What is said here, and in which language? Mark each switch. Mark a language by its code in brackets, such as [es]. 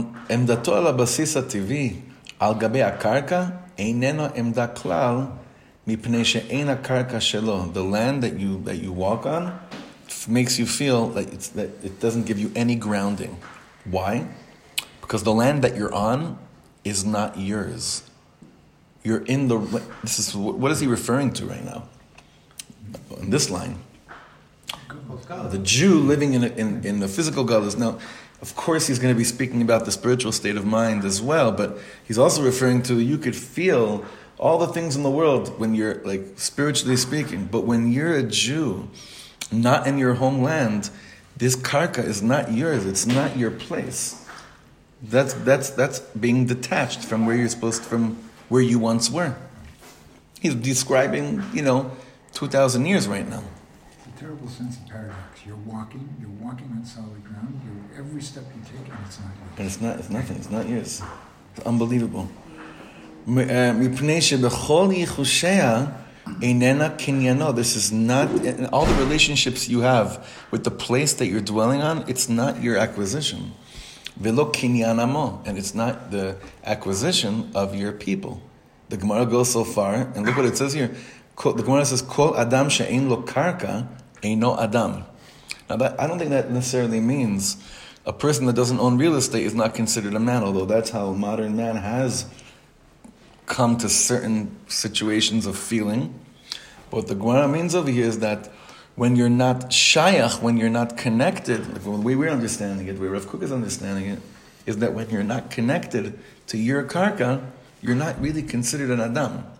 [he] עמדתו על הבסיס הטבעי, על גבי הקרקע, איננו עמדה כלל, מפני שאין הקרקע שלו. [en] The land that you walk on makes you feel like that it doesn't give you any grounding. Why? Because the land that you're on is not yours. You're in the... This is, what is he referring to right now? In this line. The Jew living in the physical Galus. Now, of course, he's going to be speaking about the spiritual state of mind as well, but he's also referring to you could feel all the things in the world when you're, like, spiritually speaking, but when you're a Jew, not in your homeland, this karka is not yours, it's not your place. That's being detached from where you're supposed to, from where you once were. He's describing, you know, 2,000 years right now. Terrible sense of paradox. You're walking on solid ground. Every step you take, and it's not yours. And it's nothing. It's not yours. It's unbelievable. [he] מפני שבכל יחושיה איננה קניינו. [en] This is not... In all the relationships you have with the place that you're dwelling on, it's not your acquisition. [he] ולא קניין עמו. [en] And it's not the acquisition of your people. The Gemara goes so far, and look what it says here. The Gemara says, [he] כל אדם שאין לו קרקע, אינו אדם. [en] Now, that, I don't think that necessarily means a person that doesn't own real estate is not considered a man, although that's how modern man has come to certain situations of feeling. But what the Gemara means over here is that when you're not shayach, when you're not connected, like the way we're understanding it, the way Rav Kook is understanding it, is that when you're not connected to your karka, you're not really considered an adam.